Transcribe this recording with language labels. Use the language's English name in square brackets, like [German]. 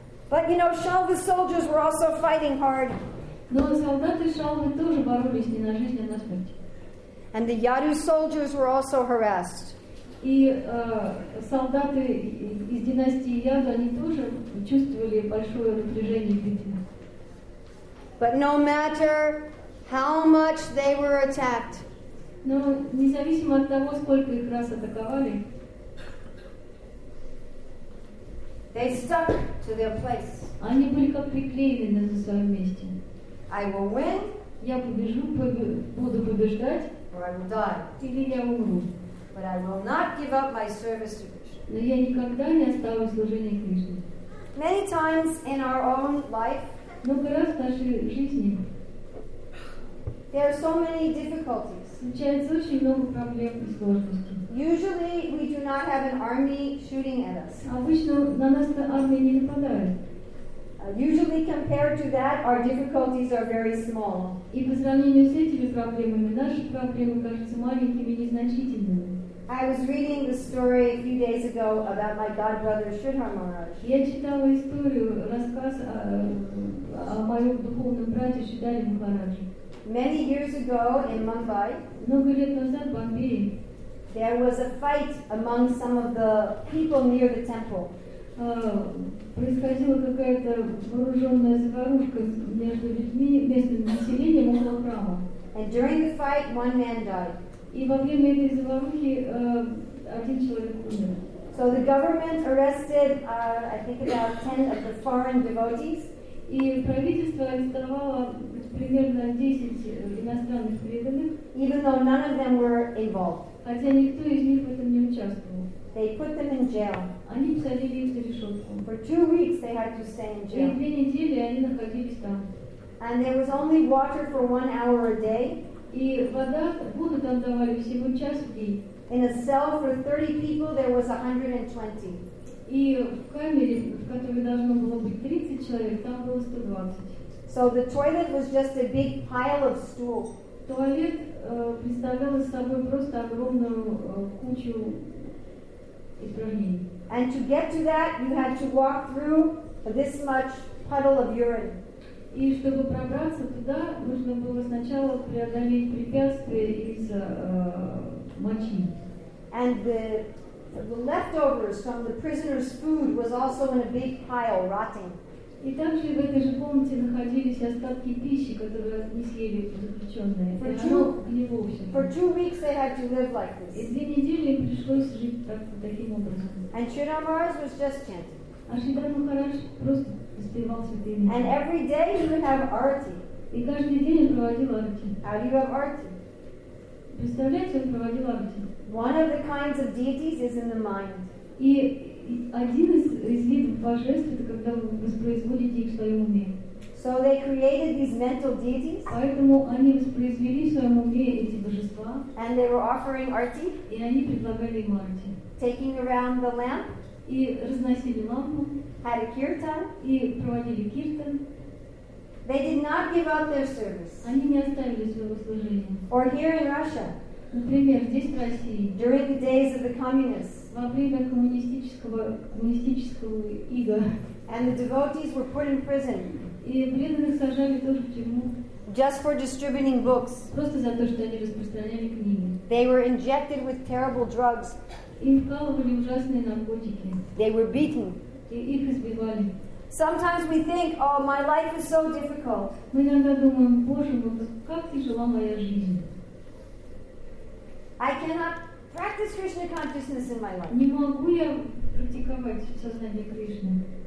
[English] But you know, Shalva's soldiers were also fighting hard. [Russian] Но солдаты Шалвы тоже боролись не на жизнь, а на смерть. [English] And the Yadu soldiers were also harassed. [Russian] И солдаты из династии Яду они тоже чувствовали большое напряжение. [English] But no matter how much they were attacked. [Russian] Но независимо от того, сколько их раз атаковали, [English] they stuck to their place. [Russian] Они были как приклеены на своем месте. [English] I will win. [Russian] Я побежу, буду побеждать. [English] Or I will die. [Russian] Или я умру. [English] But I will not give up my service to Krishna. [Russian] Но я никогда не оставлю служение Кришне. [English] Many times in our own life. [Russian] Много раз в нашей жизни. [English] There are so many difficulties. [Russian] Случается очень много проблем и сложностей. [English] Usually we do not have an army shooting at us. [Russian] Обычно на нас армия не нападает. [English] Usually compared to that, our difficulties are very small. [Russian] И по сравнению с этими проблемами, наши проблемы кажутся маленькими и незначительными. [English] I was reading the story a few days ago about my godbrother Sridhar Maharaj. [Russian] Я читала историю, рассказ о моем духовном брате Шридхаре Махарадже. [English] Many years ago in Mumbai, [Russian] много лет назад в Бомбее, [English] there was a fight among some of the people near the temple. [Russian] Происходила какая-то вооруженная заварушка между людьми, местным населением около храма. [English] And during the fight, one man died. [Russian] И во время этой заварухи один человек умер. [English] So the government arrested, I think about 10 of the foreign devotees. [Russian] И правительство арестовало примерно 10 иностранных преданных, [English] even though none of them were involved. [Russian] Хотя никто из них в этом не участвовал. [English] They put them in jail. [Russian] Они посадили их за решетку. [English] For 2 weeks they had to stay in jail. [Russian] И 2 недели они находились там. [English] And there was only water for 1 hour a day. [Russian] И воду там давали всего час в день. [English] In a cell for 30 people there was 120. [Russian] И в камере, в которой должно было быть 30 человек, там было 120. [English] So the toilet was just a big pile of stools. [Russian] Туалет представлял собой просто огромную кучу испражнений. [English] And to get to that, you had to walk through this much puddle of urine. [Russian] И чтобы пробраться туда, нужно было сначала преодолеть препятствие из мочи. [English] And the leftovers from the prisoners' food was also in a big pile, rotting. [Russian] И также в этой же комнате находились остатки пищи, которые не съели заключенные. [English] For 2 weeks they had to live like this. [Russian] И 2 недели им пришлось жить таким образом. [English] And Sridhar Maharaj was just chanting. [Russian] А Шридхар Махарадж просто воспевал святые имена. [English] And every day he would have arati. [Russian] И каждый день он проводил арати. [English] How do you have arati? [Russian] Представляете, он проводил арати. [English] One of the kinds of deities is in the mind. [Russian] И один из видов божеств — это когда вы воспроизводите их в своем уме. [English] So they created these mental deities. [Russian] Поэтому они воспроизвели в своем уме эти божества. [English] And they were offering arti. [Russian] И они предлагали им арти. [English] Taking around the lamp. [Russian] И разносили лампу. [English] Had a kirtan. [Russian] И проводили киртан. [English] They did not give up their service. [Russian] Они не оставили своего служения. [English] Or here in Russia. [Russian] Например, здесь, в России. [English] During the days of the communists. [Russian] Во время коммунистического ига. [English] And the devotees were put in prison. [Russian] И преданных сажали тоже в тюрьму. [English] Just for distributing books. [Russian] Просто за то, что они распространяли книги. [English] They were injected with terrible drugs. [Russian] Им вкалывали ужасные наркотики. [English] They were beaten. [Russian] И их избивали. [English] Sometimes we think, oh, my life is so difficult. [Russian] Мы иногда думаем, Боже, ну как тяжела моя жизнь. [English] I cannot practice Krishna consciousness in my life. [Russian] Не могу я практиковать сознание Кришны.